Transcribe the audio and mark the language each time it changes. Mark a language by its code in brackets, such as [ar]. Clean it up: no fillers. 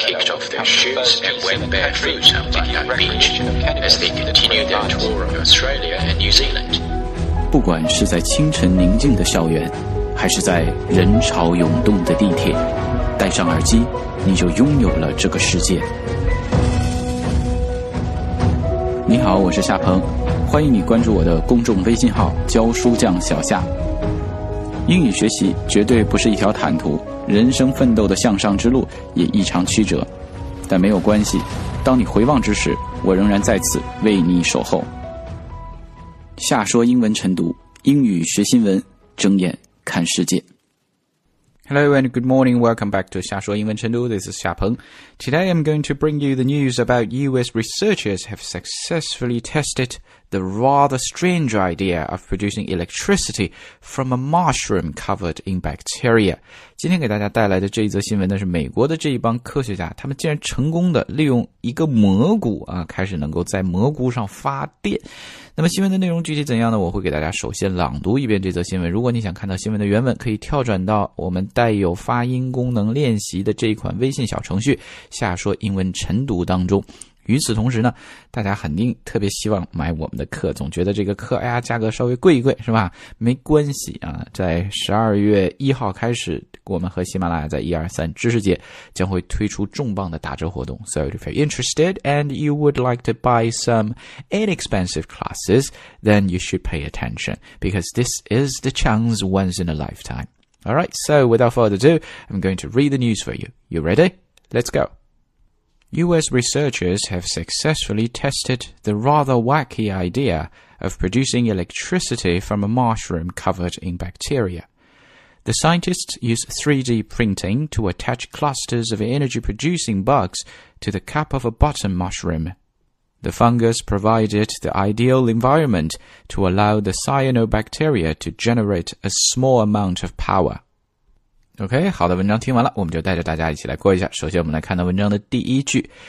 [en] kicked off their shoes and went barefoot on the unknown beach as they continued their tour of Australia and New Zealand. [zh] 不管是在清晨宁静的校园，还是在人潮涌动的地铁，戴上耳机，你就拥有了这个世界。你好，我是夏鹏，欢迎你关注我的公众微信号教书匠小夏。英语学习绝对不是一条坦途，人生奋斗的向上之路也异常曲折，但没有关系，当你回望之时，我仍然在此为你守候。夏说英文晨读，英语学新闻，睁眼看世界。 [en] Hello and good morning. Welcome back to 夏说英文晨读.This is 夏鹏. Today I'm going to bring you the news about US researchers have successfully tested the rather strange idea of producing electricity from a mushroom covered in bacteria. [zh] 今天给大家带来的这一则新闻呢，是美国的这一帮科学家，他们竟然成功的利用一个蘑菇啊，开始能够在蘑菇上发电。那么新闻的内容具体怎样呢？我会给大家首先朗读一遍这则新闻。如果你想看到新闻的原文，可以跳转到我们带有发音功能练习的这一款微信小程序下说英文晨读当中。与此同时呢，大家肯定特别希望买我们的课，总觉得这个课哎呀价格稍微贵一贵是吧，没关系啊，在12月1号开始，我们和喜马拉雅在123知识节将会推出重磅的打折活动。 [en] So if you're interested and you would like to buy some inexpensive classes, then you should pay attention, because this is the chance once in a lifetime. Alright, so without further ado, I'm going to read the news for you. You ready? Let's go! US researchers have successfully tested the rather wacky idea of producing electricity from a mushroom covered in bacteria. The scientists used 3D printing to attach clusters of energy-producing bugs to the cap of a button mushroom. The fungus provided the ideal environment to allow the cyanobacteria to generate a small amount of power. [zh] OK, 好的，文章听完了，我们就带着大家一起来过一下。首先我们来看到文章的第一句。